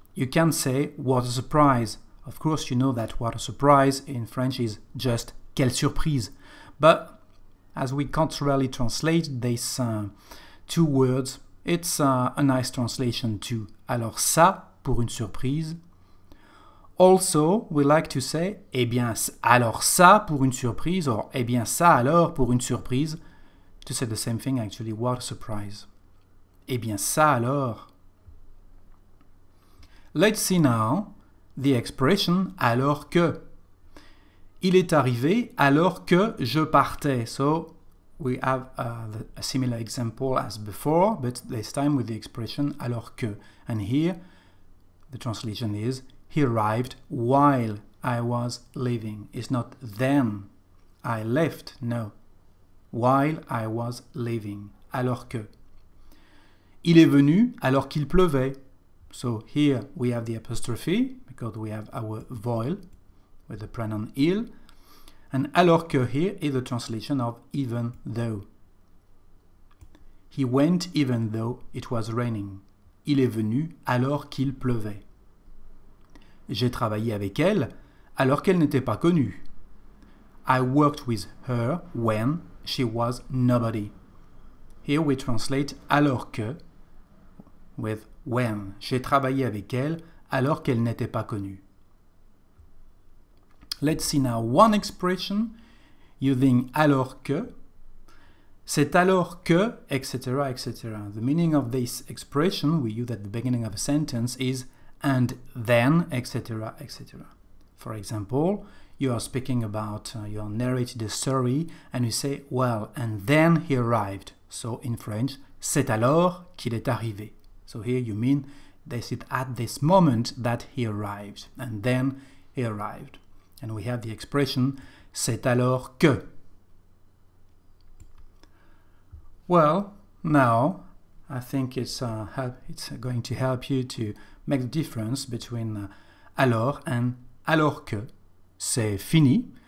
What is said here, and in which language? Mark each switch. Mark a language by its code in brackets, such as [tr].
[en] You can say what a surprise. Of course, you know that what a surprise in French is just [fr] quelle surprise. [en] But as we can't really translate these two words, it's a nice translation too. [fr] Alors ça, pour une surprise. [en] Also, we like to say, [fr] eh bien, alors ça, pour une surprise, or eh bien ça, alors, pour une surprise. [en] To say the same thing, actually, what a surprise. [fr] Eh bien ça, alors. [en] Let's see now the expression, alors que. [fr] Il est arrivé alors que je partais. [en] So, we have a similar example as before, but this time with the expression alors que. And here, the translation is, he arrived while I was leaving. It's not then I left, no. While I was leaving, alors que. [fr] Il est venu alors qu'il pleuvait. [en] So, here we have the apostrophe, because we have our voile with the pronoun il. And alors que here is the translation of even though. He went even though it was raining. [fr] Il est venu alors qu'il pleuvait. J'ai travaillé avec elle alors qu'elle n'était pas connue. [en] I worked with her when she was nobody. Here we translate alors que with when. [fr] J'ai travaillé avec elle alors qu'elle n'était pas connue. [en] Let's see now one expression using alors que. [fr] C'est alors que, etc., etc. [en] The meaning of this expression we use at the beginning of a sentence is and then, etc., etc. For example, you are speaking about, you are narrating the story and you say, well, and then he arrived. So in French, [fr] c'est alors qu'il est arrivé. [en] So here you mean, this is at this moment that he arrived. And then he arrived. And we have the expression, c'est alors que. Well, now, I think it's going to help you to make the difference between alors and alors que. [fr] C'est fini.